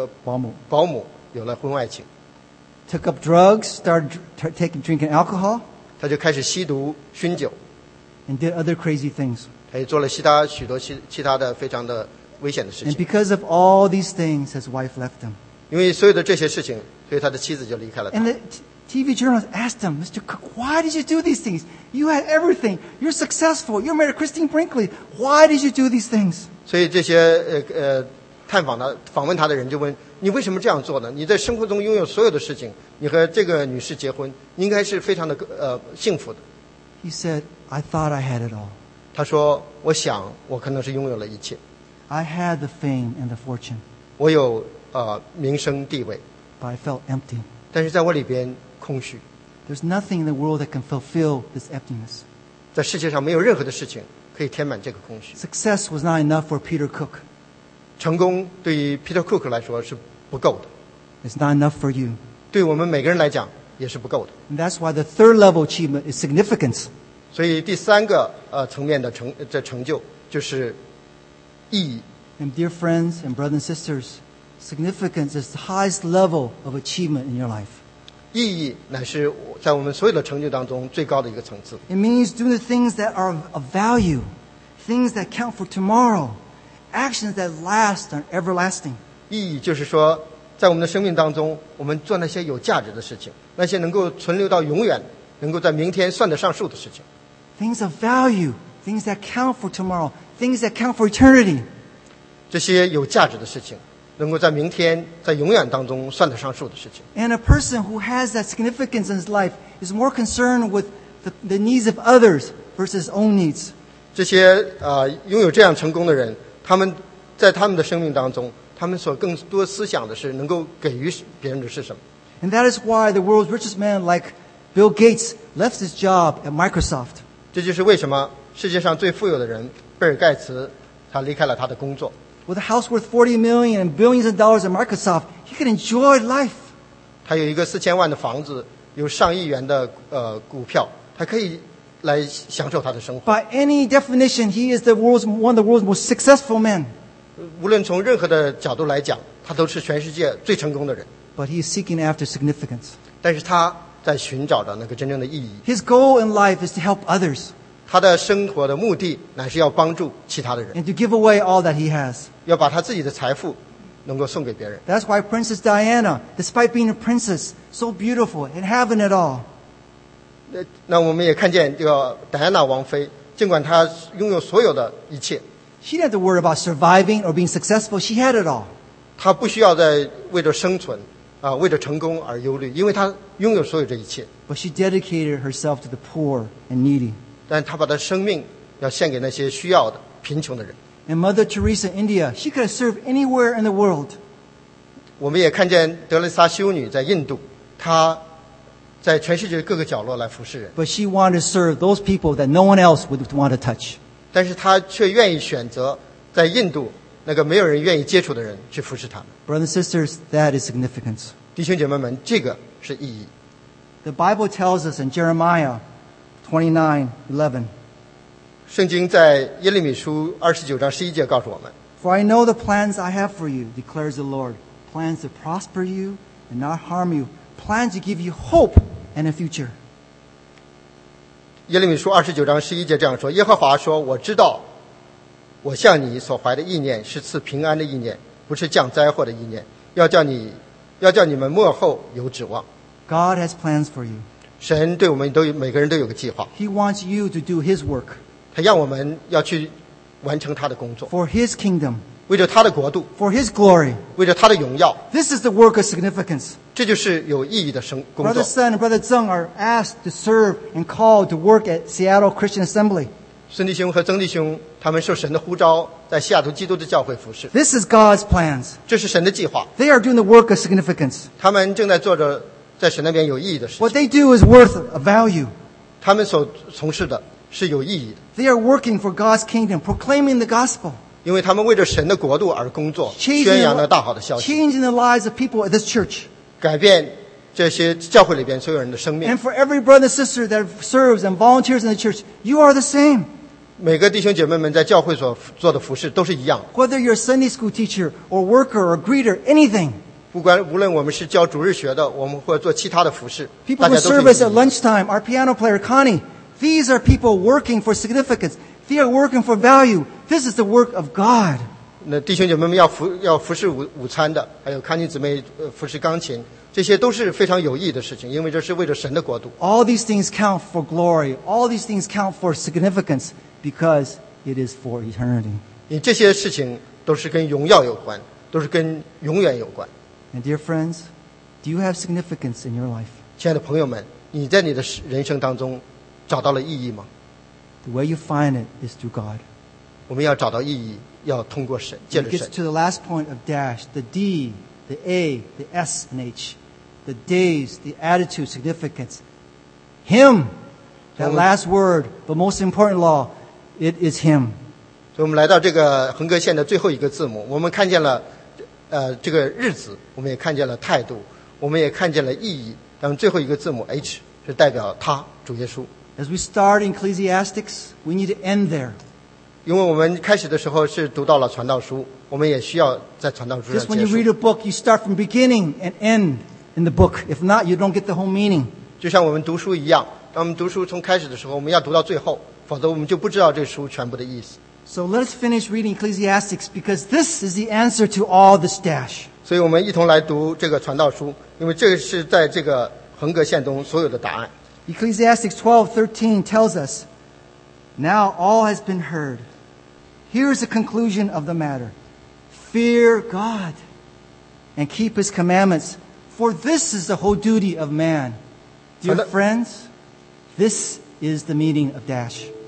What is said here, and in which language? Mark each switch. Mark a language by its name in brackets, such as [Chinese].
[Chinese] 保姆有了婚外情。 [English] Took up drugs, started drinking alcohol. [Chinese] 他就开始吸毒酗酒。 [English] And did other crazy things. [Chinese] 他也做了许多其他的非常的危险的事情。 [English] And because of all these things, his wife left him. [Chinese] 因为所有的这些事情，所以他的妻子就离开了他。 [English] And the TV journalists asked him, Mr. Cook, why did you do these things? You had everything. You're successful. You married Christine Brinkley. Why did you do these things? [Chinese] 所以这些访问他的人就问，你为什么这样做呢？你在生活中拥有所有的事情，你和这个女士结婚，你应该是非常的幸福的。 [English] He said, I thought I had it all. [Chinese] 他说，我想我可能是拥有了一切。 [English] I had the fame and the fortune. [Chinese] 我有名声地位。 [English] But I felt empty. [Chinese] 但是在我里边空虚。 [English] There's nothing in the world that can fulfill this emptiness. [Chinese] 在世界上没有任何的事情可以填满这个空虚。 [English] Success was not enough for Peter Cook. [Chinese] 成功对于 Peter Cook 来说是不够的。 [English] It's not enough for you. [Chinese] 对我们每个人来讲也是不够的。 [English] And that's why the third level achievement is significance. [Chinese] 所以第三个层面的成就就是意义。 [English] And dear friends and brothers and sisters, significance is the highest level of achievement in your life. [Chinese] 意义乃是在我们所有的成就当中最高的一个层次。 [English] It means doing the things that are of value, things that count for tomorrow, actions that last and everlasting. [Chinese] 意义就是说，在我们的生命当中，我们做那些有价值的事情。那些能够存留到永远，能够在明天算得上数的事情。 [English] Things of value, things that count for tomorrow, things that count for eternity. [Chinese] 这些有价值的事情，能够在明天，在永远当中算得上数的事情。 [English] And a person who has that significance in his life is more concerned with the needs of others versus his own needs. [Chinese] 这些拥有这样成功的人，他们在他们的生命当中，他们所更多思想的是能够给予别人的是什么。 [English] And that is why the world's richest man like Bill Gates left his job at Microsoft. [Chinese] 这就是为什么世界上最富有的人贝尔盖茨他离开了他的工作。 [English] with a house worth $40 million and billions of dollars in Microsoft, he could enjoy life. [Chinese] 他有一个四千万的房子，有上亿元的股票，他可以来享受他的生活。 [English] By any definition, he is one of the world's most successful men. [Chinese] 无论从任何的角度来讲，他都是全世界最成功的人。 [English] But he is seeking after significance. [Chinese] 但是他在寻找着那个真正的意义。 [English] His goal in life is to help others. [Chinese] 他的生活的目的乃是要帮助其他的人。 [English] And to give away all that he has. [Chinese] 要把他自己的财富能够送给别人。 [English] That's why Princess Diana, despite being a princess, so beautiful and having it all. [Chinese] 那我们也看见这个戴安娜王妃，尽管她拥有所有的一切。 [English] She didn't have to worry about surviving or being successful. She had it all. [Chinese] 她不需要再为着生存。为了成功而忧虑，因为他拥有所有这一切。 [English] But she dedicated herself to the poor and needy. [Chinese] 但她把她生命要献给那些需要的贫穷的人。 [English] And Mother Teresa in India, she could have served anywhere in the world. [Chinese] 我们也看见德蕾莎修女在印度，她在全世界各个角落来服侍人。 [English] But she wanted to serve those people that no one else would want to touch. [Chinese] 但是她却愿意选择在印度那个没有人愿意接触的人去服侍他们。 [English] Brothers and sisters, that is significance. [Chinese] 弟兄姐妹们，这个是意义。 [English] The Bible tells us in Jeremiah 29:11. [Chinese] 圣经在耶利米书29:11告诉我们。 [English] For I know the plans I have for you, declares the Lord, plans to prosper you and not harm you, plans to give you hope and a future. [Chinese] 耶利米书29:11这样说：耶和华说，我知道。我向你所怀的意念是赐平安的意念，不是降灾祸的意念，要叫你们末后有指望。 [English] God has plans for you. [Chinese] 神对我们都每个人都有个计划。 [English] He wants you to do His work. [Chinese] 他让我们要去完成他的工作。 [English] For His kingdom. [Chinese] 为着他的国度。 [English] For His glory. [Chinese] 为着他的荣耀。 [English] This is the work of significance. [Chinese] 这就是有意义的工作。 [English] Brother Sun and Brother Zeng are asked to serve and called to work at Seattle Christian Assembly. [Chinese] 孙弟兄和曾弟兄，他们受神的呼召，在西雅图基督的教会服侍。 [English] This is God's plans. [Chinese] 这是神的计划。 [English] They are doing the work of significance. [Chinese] 他们正在做着在神那边有意义的事情。 [English] What they do is worth a value. [Chinese] 他们所从事的是有意义的。 [English] They are working for God's kingdom, proclaiming the gospel. [Chinese] 因为他们为着神的国度而工作，宣扬了大好的消息。 [English] Changing the lives of people at this church. [Chinese] 改变这些教会里边所有人的生命。 [English] And for every brother and sister that serves and volunteers in the church, you are the same. [Chinese] 每个弟兄姐妹们在教会所做的服事都是一样。 [English] Whether you're a Sunday school teacher or worker or greeter, anything. [Chinese] 无论我们是教主日学的，我们或者做其他的服事，大家都是一样。 [English] People who serve us at lunchtime, our piano player Connie, these are people working for significance. They are working for value. This is the work of God. [Chinese] 那弟兄姐妹们要服事午餐的，还有康妮姊妹服事钢琴。这些都是非常有意义的事情，因为这是为着神的国度。 [English] All these things count for glory. All these things count for significance because it is for eternity. [Chinese] 因为这些事情都是跟荣耀有关，都是跟永远有关。 [English] And dear friends, do you have significance in your life? [Chinese] 亲爱的朋友们，你在你的人生当中找到了意义吗？ [English] The way you find it is through God. [Chinese] 我们要找到意义，要通过神，借着神。 [English] It gets to the last point of dash, the D. The A, the S, and H. The days, the attitude, significance. Him, that last word, but most important law, it is Him. [Chinese] 所以我们来到这个横隔线的最后一个字母，我们看见了这个日子，我们也看见了态度，我们也看见了意义。但最后一个字母 H 是代表他，主耶稣。 [English] As we start in Ecclesiastics, we need to end there. [Chinese] 因为我们开始的时候是读到了传道书，我们也需要在传道书上结束。 [English] Just when you read a book, you start from beginning and end in the book. If not, you don't get the whole meaning. [Chinese] 就像我们读书一样，当我们读书从开始的时候，我们要读到最后，否则我们就不知道这书全部的意思。 [English] So let's finish reading Ecclesiastics because this is the answer to all this dash. [Chinese] 所以我们一同来读这个传道书，因为这是在这个横隔线中所有的答案。 [English] Ecclesiastics 12:13 tells us. Now all has been heard. Here is the conclusion of the matter. Fear God and keep His commandments, for this is the whole duty of man. Dear friends, this is the meaning of dash.